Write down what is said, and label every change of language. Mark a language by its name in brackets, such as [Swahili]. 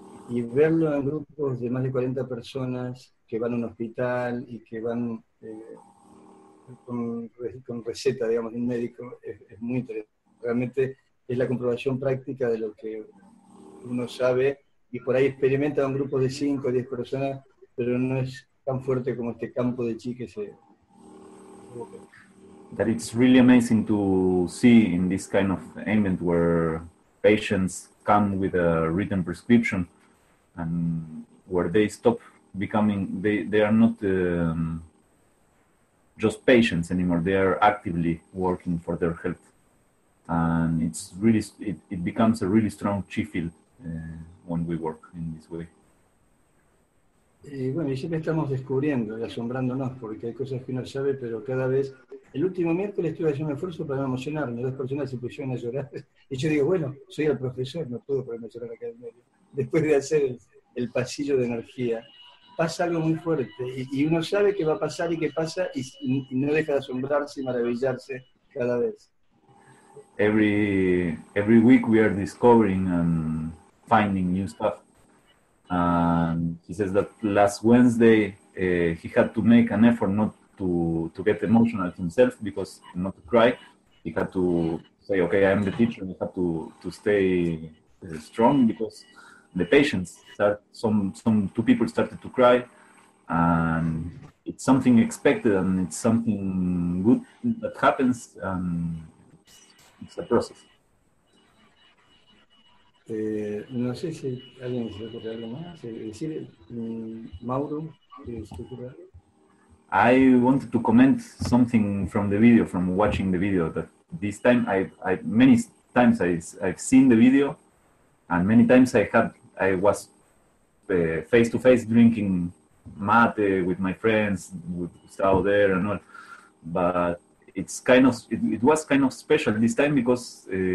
[Spanish] Y verlo en grupos de más de 40 personas que van a un hospital y que van con receta, digamos, de un médico, es muy interesante. Realmente es la comprobación práctica de lo que uno sabe, y por ahí experimenta un grupo de 5 o 10 personas, pero no es tan fuerte como este campo de chi que se... [English] That it's really amazing to see in this kind of ambient where patients come with a written prescription and where they stop becoming, they are not just patients anymore, they are actively working for their health. And it's really, it becomes a really strong chi field when we work in this way. [Spanish] Y bueno, y siempre estamos descubriendo y asombrándonos, porque hay cosas que uno sabe, pero cada vez... El último miércoles estuve haciendo un esfuerzo para no emocionarme, dos personas se pusieron a llorar, y yo digo, bueno, soy el profesor, no puedo ponerme a llorar acá en medio. Después de hacer el pasillo de energía, pasa algo muy fuerte, y uno sabe qué va a pasar y qué pasa, y no deja de asombrarse y maravillarse cada vez. [English] Every week we are discovering and finding new stuff. And he says that last Wednesday he had to make an effort not to get emotional himself, because not to cry. He had to say, okay, I'm the teacher, and I have to stay strong, because the patients start, some two people started to cry, and it's something expected and it's something good that happens, and it's a process. [Spanish] No sé si alguien se ocurre algo más. Decir, Mauro, ¿se ocurre algo? [English] I wanted to comment something from the video, from watching the video, that this time I've seen the video, and many times I was face to face drinking mate with my friends, with Gustavo there and all, but it was kind of special this time, because